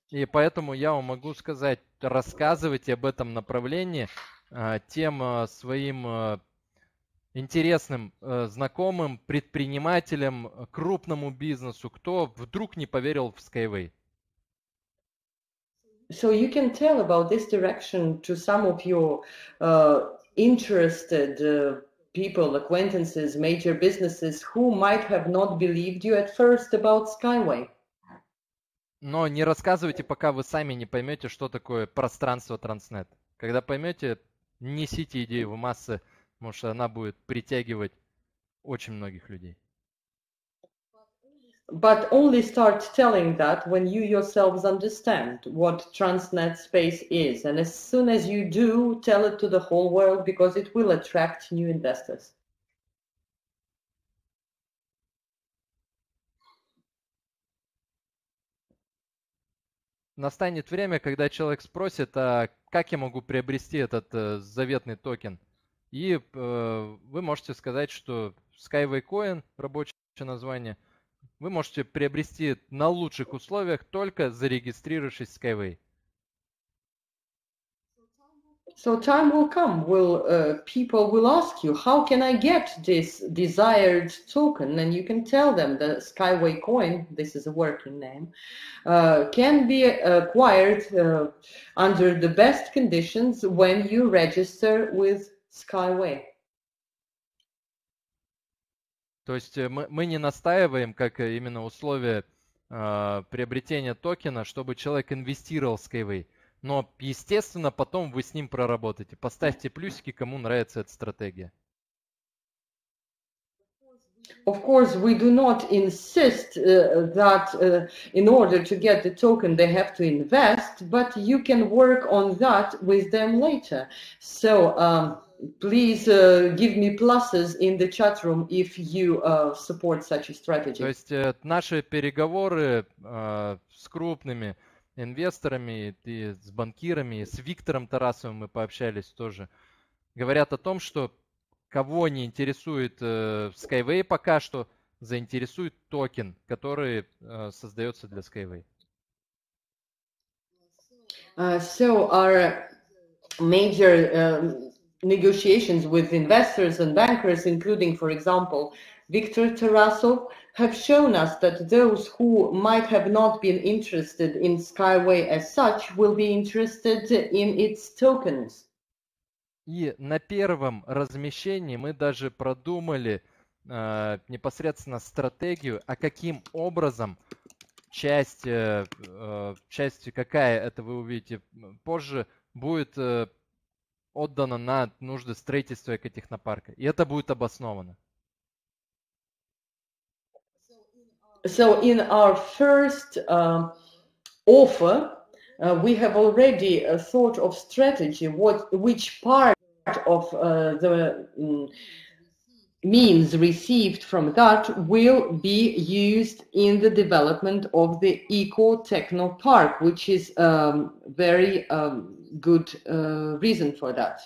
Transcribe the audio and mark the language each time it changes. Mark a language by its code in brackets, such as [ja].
[ru] И поэтому я вам могу сказать, рассказывать об этом направлении тем своим интересным знакомым, предпринимателям, крупному бизнесу, кто вдруг не поверил в Skyway. [en] So you can tell about this direction to some of your interested people, acquaintances, major businesses, who might have not believed you at first about Skyway. [ru] Но не рассказывайте, пока вы сами не поймете, что такое пространство Transnet. Когда поймете, несите идею в массы, потому что она будет притягивать очень многих людей. [en] But only start telling that when you yourselves understand what Transnet space is. And as soon as you do, tell it to the whole world, because it will attract new investors. [ru] Настанет время, когда человек спросит, а как я могу приобрести этот заветный токен? И вы можете сказать, что Skyway Coin, рабочее название, вы можете приобрести на лучших условиях, только зарегистрировавшись в Skyway. [en] So time will come, people will ask you, how can I get this desired token? And you can tell them that Skyway Coin, this is a working name, can be acquired under the best conditions when you register with Skyway. [ru] То есть мы не настаиваем, как именно условия приобретения токена, чтобы человек инвестировал в Skyway. Но, естественно, потом вы с ним проработаете. Поставьте плюсики, кому нравится эта стратегия. [en] Of course, we do not insist that in order to get the token they have to invest, but you can work on that with them later. So, please give me pluses in the chat room if you support such a strategy. [ru] То есть наши переговоры с крупными инвесторами, и с банкирами, и с Виктором Тарасовым мы пообщались тоже. Говорят о том, что кого не интересует Skyway пока что, заинтересует токен, который создается для Skyway. [en] So our major negotiations with investors and bankers, including, for example, Виктор Тарасов, have shown us that those who might have not been interested in Skyway as such will be interested in its tokens. [ru] И на первом размещении мы даже продумали непосредственно стратегию, а каким образом часть, какая это вы увидите позже, будет отдана на нужды строительства экотехнопарка. И это будет обосновано. [en] So in our first offer, we have already a thought of strategy, which part of the means received from that will be used in the development of the eco-techno-park, which is a very good reason for that.